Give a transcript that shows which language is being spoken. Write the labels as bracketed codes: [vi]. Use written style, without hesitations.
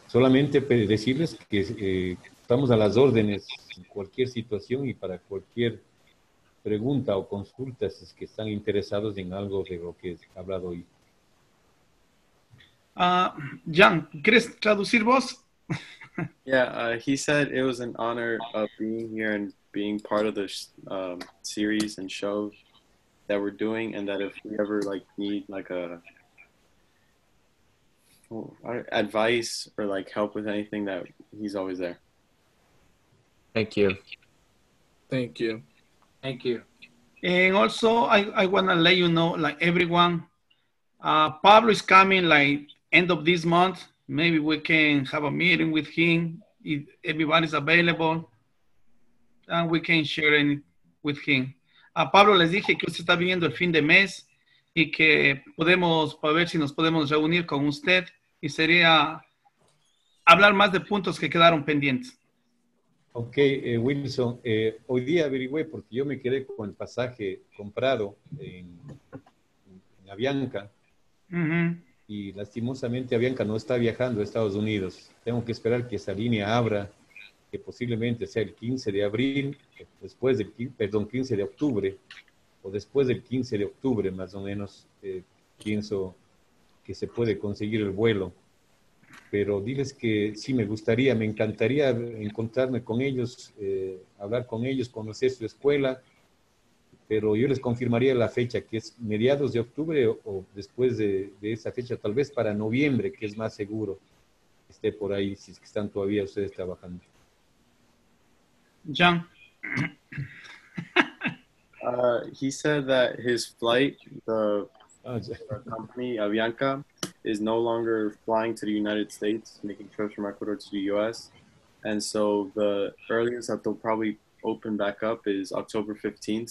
[es] Solamente decirles que estamos a las órdenes en cualquier situación y para cualquier pregunta o consulta si es que están interesados en algo de lo que he hablado hoy. Jan, ¿quieres traducir vos? [en] Yeah, he said it was an honor of being here and being part of this series and show that we're doing, and that if we ever like need like a advice or like help with anything, that he's always there. Thank you. Thank you. Thank you. And also, I want to let you know, like everyone, Pablo is coming like end of this month. Maybe we can have a meeting with him if everybody's available, and we can share it with him. [es] Pablo, les dije que usted está viviendo el fin de mes y que podemos, para ver si nos podemos reunir con usted, y sería hablar más de puntos que quedaron pendientes. Ok, Wilson, hoy día averigüé porque yo me quedé con el pasaje comprado en Avianca. Uh-huh. Y lastimosamente Avianca no está viajando a Estados Unidos. Tengo que esperar que esa línea abra, que posiblemente sea el 15 de abril, después del 15 de octubre, o después del 15 de octubre, más o menos, pienso que se puede conseguir el vuelo. Pero diles que sí me gustaría, me encantaría encontrarme con ellos, hablar con ellos, conocer su escuela, pero yo les confirmaría la fecha, que es mediados de octubre o después de esa fecha, tal vez para noviembre, que es más seguro, esté por ahí, si es que están todavía ustedes trabajando. [en] John. He said that his flight, the company, Avianca, is no longer flying to the United States, making trips from Ecuador to the US. And so the earliest that they'll probably open back up is October 15th.